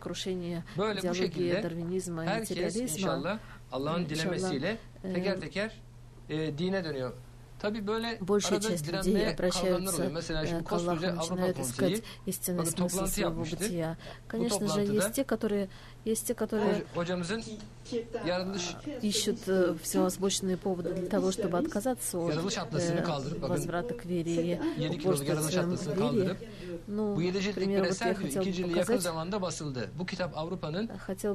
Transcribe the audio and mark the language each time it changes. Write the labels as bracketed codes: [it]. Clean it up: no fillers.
[ru] крушения идеологии дарвинизма и материализма, [tr] Allah'ın dilemesiyle teker teker dine dönüyor. Tabii böyle arada direnmeye kalanlar oluyor. Mesela şimdi koskoca Avrupa Konseyi bir toplantı yapmıştı. [ru] Конечно же, есть те, которые [tr] hocamızın [ru] ищут всевозможные поводы для того, чтобы отказаться от возврата к вере и упорствия к вере. Ну, например, вот я хотел